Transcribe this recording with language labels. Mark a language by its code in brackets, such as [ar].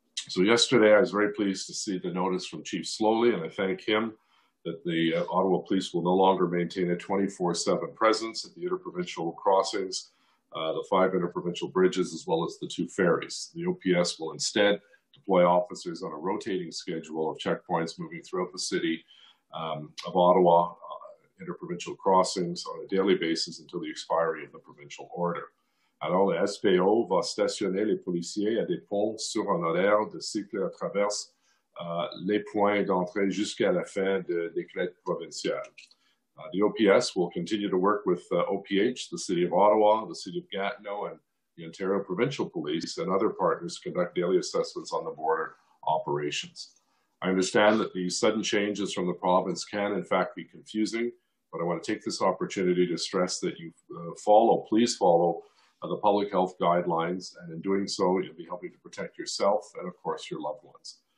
[en] So yesterday, I was very pleased to see the notice from Chief Slowly, and I thank him that the Ottawa Police will no longer maintain a 24/7 presence at the interprovincial crossings, the 5 interprovincial bridges, as well as the 2 ferries. The OPS will instead deploy officers on a rotating schedule of checkpoints moving throughout the city of Ottawa, interprovincial crossings on a daily basis until the expiry of the provincial order. [fr] Alors, le SPO va stationner les policiers à des ponts sur un horaire de cycle à travers les points d'entrée jusqu'à la fin de décret provincial. [en] The OPS will continue to work with OPH, the City of Ottawa, the City of Gatineau, and the Ontario Provincial Police and other partners to conduct daily assessments on the border operations. I understand that these sudden changes from the province can, in fact, be confusing, but I want to take this opportunity to stress that you please follow the public health guidelines, and in doing so, you'll be helping to protect yourself and, of course, your loved ones.